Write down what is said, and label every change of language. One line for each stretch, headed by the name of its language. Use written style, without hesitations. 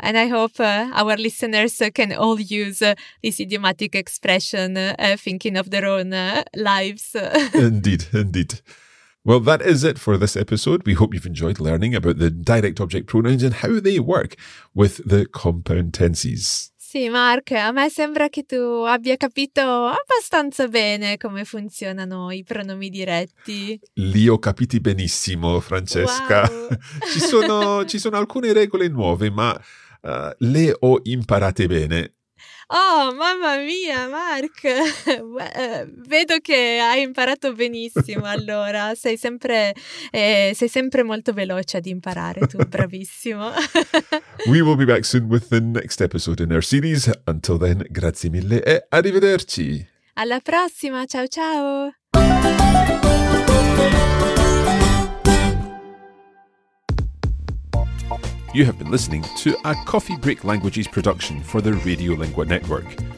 English: And I hope our listeners can all use this idiomatic expression thinking of their own lives. Indeed, indeed. Well, that is it for this episode. We hope you've enjoyed learning about the direct object pronouns and how they work with the compound tenses.
Italian: Sì, Mark, a me sembra che tu abbia capito abbastanza bene come funzionano i pronomi diretti. Li ho capiti benissimo, Francesca. Wow. ci sono alcune regole nuove, ma le ho imparate bene. Oh, mamma mia, Mark! Vedo che hai imparato benissimo, allora. Sei sempre molto veloce ad imparare, tu, bravissimo.
English: We will be back soon with the next episode in our series. Until then,
Italian: grazie mille e arrivederci! Alla prossima, ciao ciao!
English: You have been listening to a Coffee Break Languages production for the Radiolingua Network.